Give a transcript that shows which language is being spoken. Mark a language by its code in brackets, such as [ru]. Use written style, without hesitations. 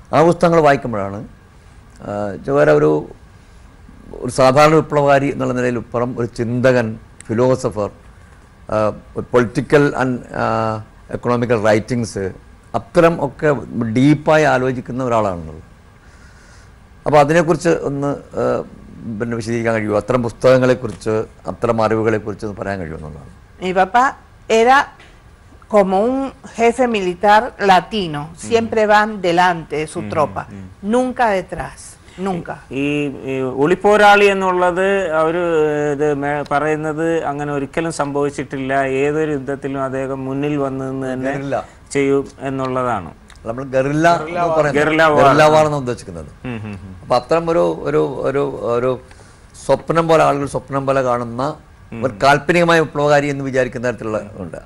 [ml] ആ പുസ്തകങ്ങൾ വായിക്കുമ്പോഴാണ് ചെഗുവേര ഒരു സാധാരണ വിപ്ലവകാരി എന്നുള്ള നിലയിലുപ്പുറം ഒരു ചിന്തകൻ, philosopher, political and economical writings അത്തരം ഒക്കെ ഡീപ്പായി ആലോചിക്കുന്ന ഒരാളാണുള്ളത്. അപ്പോൾ അതിനെക്കുറിച്ച് ഒന്ന് പിന്നെ വിശദീകരിക്കാൻ കഴിയുമോ? അത്തരം പുസ്തകങ്ങളെക്കുറിച്ച്, അത്തരം അറിവുകളെക്കുറിച്ച് ഒന്ന് പറയാൻ കഴിയുമെന്നുള്ളതാണ്. [es] മീ പപ്പ era como un jefe militar latino, siempre van delante de su tropa, nunca detrás. [ml] ഈ ഒളിപ്പോരാളി എന്നുള്ളത് അവർ ഇത് പറയുന്നത് അങ്ങനെ ഒരിക്കലും സംഭവിച്ചിട്ടില്ല, ഏതൊരു യുദ്ധത്തിലും അദ്ദേഹം മുന്നിൽ വന്നു തന്നെ ചെയ്യും എന്നുള്ളതാണ്. നമ്മൾ ഗറില്ല ഗറില്ല വാർ എന്നാണ് ഉദ്ദേശിക്കുന്നത്. അപ്പൊ അത്തരം ഒരു ഒരു ഒരു ഒരു സ്വപ്നം പോലെ ആളുകൾ സ്വപ്നം പോലെ കാണുന്ന ഒരു കാല്പനികമായ വിപ്ലവകാരി എന്ന് വിചാരിക്കുന്ന തരത്തിലുള്ള ഉണ്ട്.